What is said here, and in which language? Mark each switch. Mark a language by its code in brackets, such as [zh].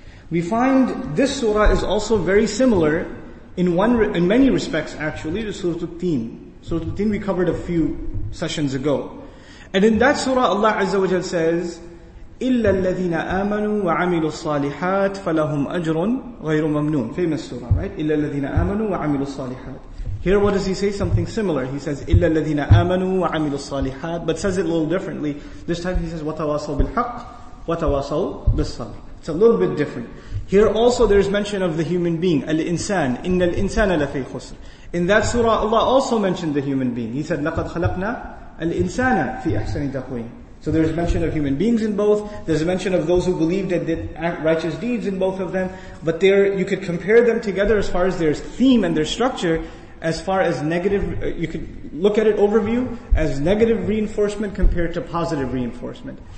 [en] We find this surah is also very similar in many respects actually to Surah At-Tin. Surah At-Tin we covered a few sessions ago. And in that surah, Allah Azza wa Jalla says, [ar] إِلَّا الَّذِينَ آمَنُوا وَعَمِلُوا الصَّالِحَاتِ فَلَهُمْ أَجْرٌ غَيْرُ مَمْنُونَ. [en] Famous surah, right? [ar] إِلَّا الَّذِينَ آمَنُوا وَعَمِلُوا الصَّالِحَاتِ. [en] Here what does he say? Something similar. He says, [ar] إِلَّا الَّذِينَ آمَنُوا وَعَمِلُوا الصَّالِحَاتِ. [en] But says it a little differently. This time he says, [ar] وَتَوَاصَوْا بِالْحَقِّ وَتَوَاصَوْا بِالصَّبْرِ. [en] It's a little bit different. Here also there is mention of the human being, al-insan. [ar] إِنَّ الْإِنسَانَ لَفِي خُسْرٍ. [en] In that surah, Allah also mentioned the human being. He said, [ar] لَقَدْ خَلَقْنَا الْإِنسَانَ فِي أَحْسَنِ تَقْوِيمٍ. [en] So there's mention of human beings in both. There's mention of those who believed and did righteous deeds in both of them. But there, you could compare them together as far as their theme and their structure. As far as negative, you could look at it overview as negative reinforcement compared to positive reinforcement.